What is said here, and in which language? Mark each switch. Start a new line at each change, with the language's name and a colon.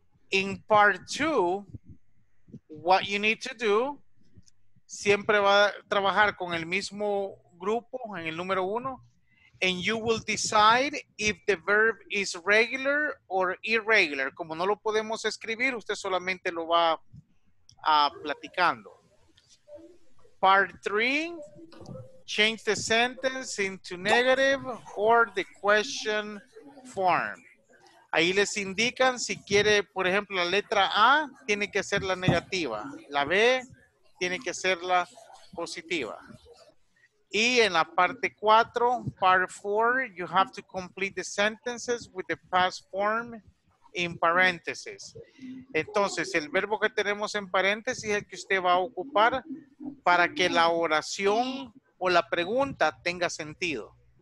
English: In part two, what you need to do,
Spanish: siempre va a trabajar con el mismo grupo, en el número uno.
English: And you will decide if the verb is regular or irregular.
Spanish: Como no lo podemos escribir, usted solamente lo va platicando.
English: Part three, change the sentence into negative or the question form.
Spanish: Ahí les indican si quiere, por ejemplo, la letra A, tiene que ser la negativa. La B tiene que ser la positiva. Y en la parte 4,
English: part 4, you have to complete the sentences with the past form in parentheses.
Spanish: Entonces, el verbo que tenemos en paréntesis es el que usted va a ocupar para que la oración o la pregunta tenga sentido.